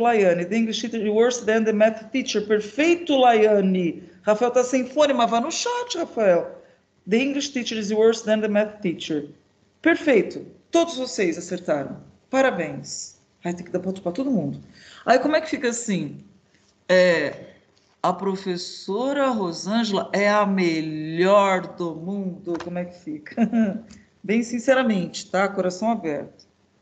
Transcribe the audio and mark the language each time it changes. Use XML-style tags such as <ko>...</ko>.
<en>Laiane, the English teacher is worse than the math teacher.</en> <pt>Perfeito, Laiane. Rafael está sem fone, mas vá no chat, Rafael.</pt> <en>The English teacher is worse than the math teacher.</en> <pt>Perfeito. Todos vocês acertaram. Parabéns. Ai, tem que dar ponto para todo mundo. Aí, como é que fica assim? É, a professora Rosângela é a melhor do mundo. Como é que fica? Bem sinceramente, tá? Coração aberto.</pt>